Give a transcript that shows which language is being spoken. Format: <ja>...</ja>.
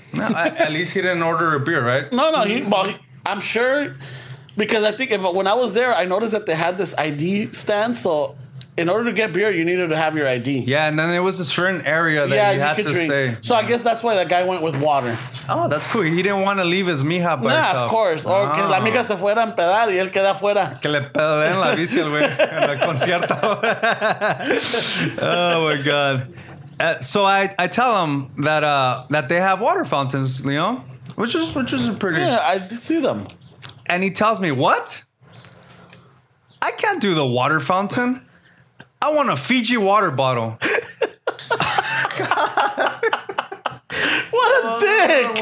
<en>At least he didn't order a beer, right? No. I'm sure, because I think when I was there, I noticed that they had this ID stand. So in order to get beer, you needed to have your ID. Yeah, and then there was a certain area that you had to stay. So I guess that's why that guy went with water. Oh, that's cool. He didn't want to leave his mija by himself. Of course.</en> <es>Or que la mija se fuera a empedar y él queda afuera. Que le peden la bici el güey en el concierto.</es> <en>Oh, my God. So I tell him that that they have water fountains, Leon, which is pretty. Yeah, I did see them. And he tells me, what? I can't do the water fountain. I want a Fiji water bottle. What a dick.</en>